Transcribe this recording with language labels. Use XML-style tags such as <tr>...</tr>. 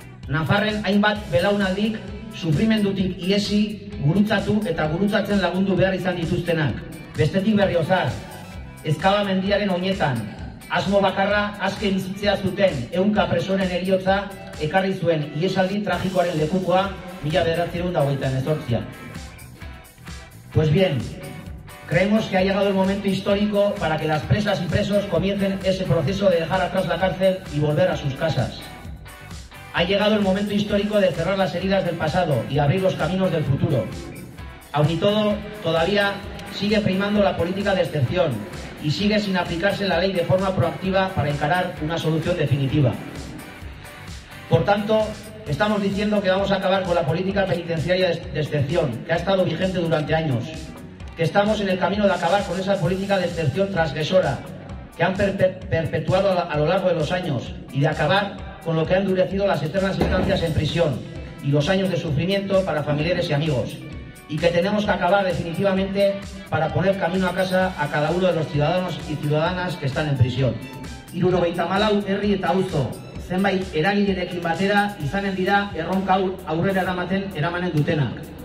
<eu>Nafarren hainbat belaunaldik, sufrimendutik iesi, gurutzatu eta gurutzatzen lagundu behar izan dituztenak. Bestetik Berriozar, Ezkaba mendiaren oinetan, asmo bakarra aske bizitzea zuten 100 presoren heriotza ekarri zuen ihesaldi tragikoaren lekukoa 1928an.</eu> <es>Pues bien, creemos que ha llegado el momento histórico para que las presas y presos comiencen ese proceso de dejar atrás la cárcel y volver a sus casas. Ha llegado el momento histórico de cerrar las heridas del pasado y abrir los caminos del futuro. Aun y todo, todavía sigue primando la política de excepción y sigue sin aplicarse la ley de forma proactiva para encarar una solución definitiva. Por tanto, estamos diciendo que vamos a acabar con la política penitenciaria de excepción que ha estado vigente durante años, que estamos en el camino de acabar con esa política de excepción transgresora que han perpetuado a lo largo de los años y de acabar con lo que ha endurecido las eternas instancias en prisión y los años de sufrimiento para familiares y amigos, y que tenemos que acabar definitivamente para poner camino a casa a cada uno de los ciudadanos y ciudadanas que están en prisión.</es> <eu>Hirurogeita malau herri eta auzo, zenbait eragilerekin batera izanen dira erronka aurrera eramaten eramanen dutenak.</eu>